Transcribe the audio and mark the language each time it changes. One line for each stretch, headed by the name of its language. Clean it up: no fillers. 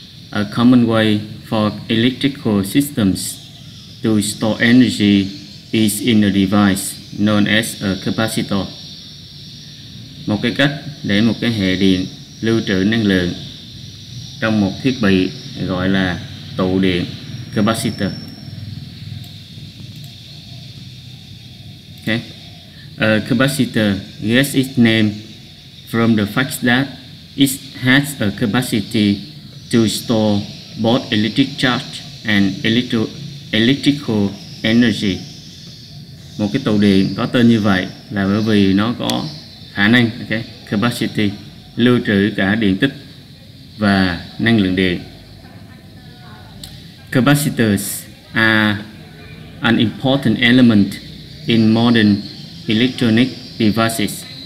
English: A common way for electrical systems to store energy is in a device known as a capacitor.
Vietnamese: Một cái cách để một cái hệ điện lưu trữ năng lượng trong một thiết bị gọi là tụ điện, capacitor.
English: Okay. A capacitor gets its name from the fact that it has a capacity to store both electric charge and electrical energy.
Vietnamese: Một cái tụ điện có tên như vậy là bởi vì nó có khả năng, okay, capacity, lưu trữ cả điện tích và năng lượng điện.
English: Capacitors are an important element in modern electronic devices.